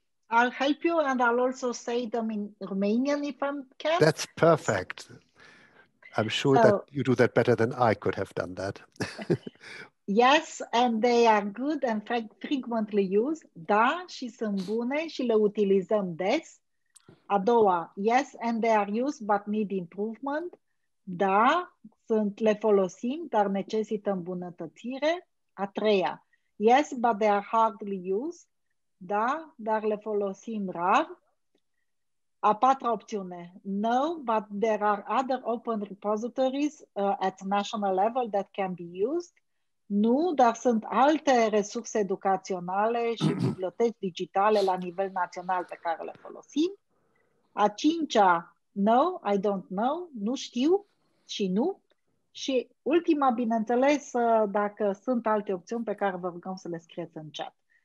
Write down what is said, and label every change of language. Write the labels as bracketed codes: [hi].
[en] I'll help you, and I'll also say them in Romanian if I can. That's perfect. I'm sure that you do that better than I could have done that. Yes, and they are good and frequently used. [ro] Da, și sunt bune și le utilizăm des. A doua, [en] yes, and they are used but need improvement. [ro] Da, sunt, le folosim, dar necesită îmbunătățire. A treia, [en] yes, but they are hardly used. [ro] Da, dar le folosim rar. A patra opțiune, [en] no, but there are other open repositories at national level that can be used. [ro] Nu, dar sunt alte resurse educaționale și biblioteci digitale la nivel național pe care le folosim. A cincea, [en] no, I don't know, [ro] nu știu și nu. Și ultima, bineînțeles, dacă sunt alte opțiuni pe care vă rugăm să le scrieți în chat.